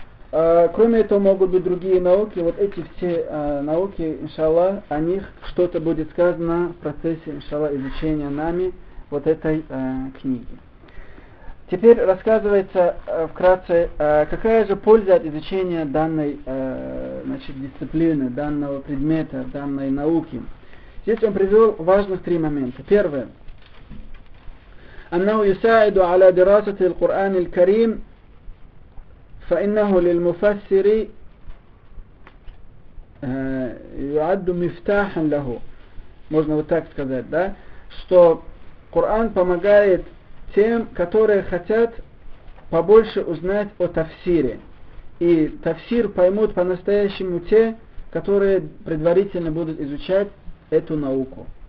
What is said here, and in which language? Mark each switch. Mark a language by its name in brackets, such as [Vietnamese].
[Russian] Кроме этого, могут быть другие науки. Вот эти все науки, иншаллах, о них что-то будет сказано в процессе, иншаллах, изучения нами вот этой книги. Теперь рассказывается вкратце, какая же польза от изучения данной значит, дисциплины, данного предмета, данной науки. Здесь он привел важных три момента. Первое. [Arabic] أنه يساعد على دراسة القرآن الكريم فإنه للمفسر يعد مفتاحا له. [Russian] Можно вот так сказать, да? Что Коран помогает тем, которые хотят побольше узнать о тафсире. И тафсир поймут по-настоящему те, которые предварительно будут изучать эту науку.